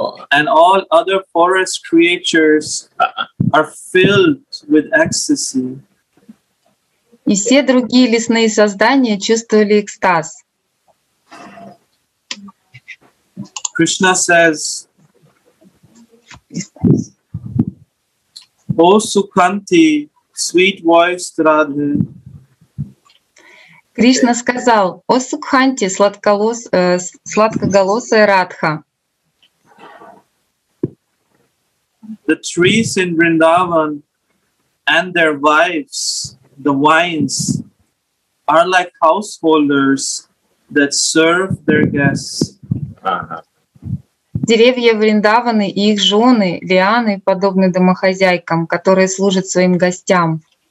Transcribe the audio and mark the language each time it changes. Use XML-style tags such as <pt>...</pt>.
<en>And all other forest creatures are filled with ecstasy.</en> <ru>И все другие лесные создания чувствовали экстаз.</ru> <en>Krishna says, O Sukanti, sweet voiced Radhe.</en> <ru>Кришна сказал: «О Сукханти, сладкоголосая Радха».</ru> <en>The trees in Vrindavan and their wives, the vines, are like householders that serve their guests.</en> <ru>Деревья Вриндаваны и их жены, лианы, подобны домохозяйкам, которые служат своим гостям.</ru>